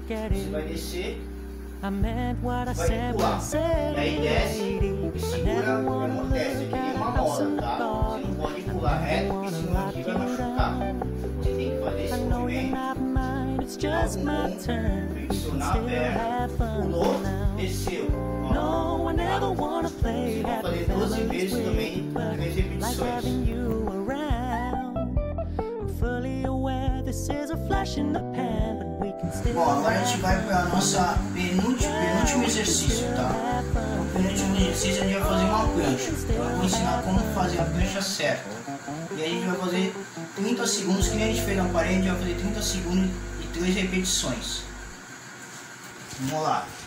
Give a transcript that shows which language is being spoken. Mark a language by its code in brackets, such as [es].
[pt] Você vai descer, vai recuar. E aí desce e segura o amortecedor, que nem uma moda, tá? Você não pode pular reto, porque senão aqui vai machucar. Você tem que fazer esse movimento. [en] It's just my turn. Still have fun now. No one ever wanna play happy families with me. Like having you around. I'm fully aware this is a flash in the pan, but we can still. [pt] Bom, agora a gente vai para a nossa penúltimo exercício, tá? O penúltimo exercício a gente vai fazer uma prancha. Eu vou ensinar como fazer a prancha certa. E aí a gente vai fazer 30 segundos, que nem a gente fez na parede, a gente vai fazer 30 segundos. 2 repetições. Vamos lá.